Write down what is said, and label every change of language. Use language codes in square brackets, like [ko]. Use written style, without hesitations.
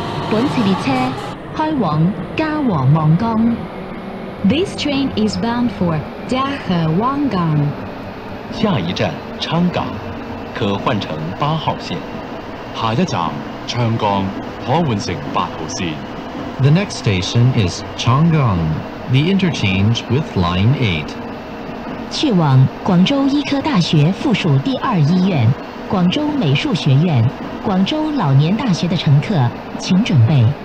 [zh] 本次列车开往嘉禾望江。 [en] This train is bound for 嘉禾旺港。 [zh] 下一站昌港，可换乘八号线。下一站昌江，可换乘八号线。 [en] The next station is Changgang, the interchange with Line 8. [zh] 去往广州医科大学附属第二医院、广州美术学院、广州老年大学的乘客，请准备。